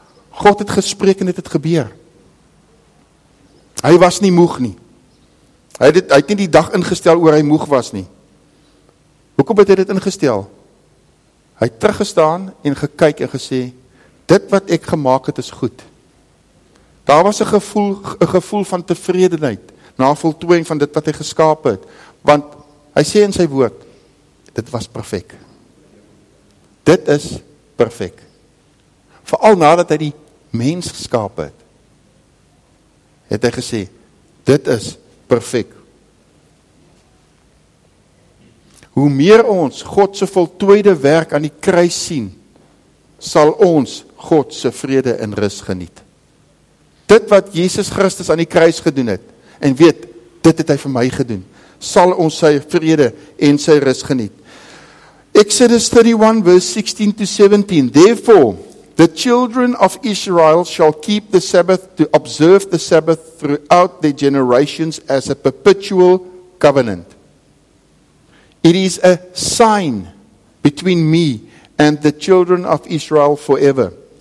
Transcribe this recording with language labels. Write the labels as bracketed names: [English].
[Afrikaans] God het gespreek en dit het gebeur. Hy was nie moeg nie. Hy het nie die dag ingestel oor hy moeg was nie. Hoekom het hy dit ingestel? Hy het teruggestaan en gekyk en gesê, dit wat ek gemaak het is goed. Daar was 'n gevoel van tevredenheid, na voltooiing van dit wat hy geskaap het. Want hy sê in sy woord, dit was perfek. Dit is perfek. Vooral nadat hy die mens geskaap het, het hy gesê, dit is perfek. Hoe meer ons God se voltooide werk aan die kruis sien, sal ons God se vrede en rus geniet. Dit wat Jesus Christus aan die kruis gedoen het, en weet, dit het hy vir my gedoen, sal ons sy vrede en sy rus geniet. [English] Exodus 31 verse 16 to 17, therefore, the children of Israel shall keep the Sabbath to observe the Sabbath throughout their generations as a perpetual covenant. It is a sign between me and the children of Israel forever.